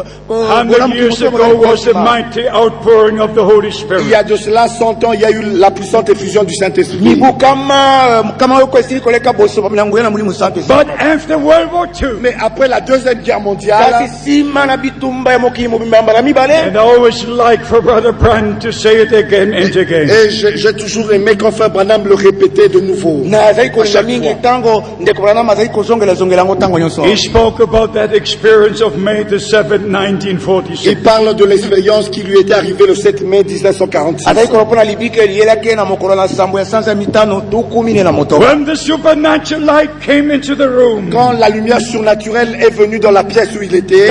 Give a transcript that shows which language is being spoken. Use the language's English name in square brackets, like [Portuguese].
[English] 100 years ago was a mighty outpouring of the Holy Spirit. [French] Il y a de cela 100 ans, il y a eu la puissante effusion du Saint-Esprit. [English] But after World War II, [French] mais après la Deuxième Guerre mondiale, [English] and I always like for Brother Branham to say it again and again. [French] Et j'ai toujours aimé quand Frère Branham le répétait de nouveau. [English] He spoke about that experience of May 7, 1946. [French] Il parle de l'expérience qui lui était arrivée le 7 mai 1946. [English] When the supernatural light came into the room, [French] quand la lumière surnaturelle est venue dans la pièce où il était,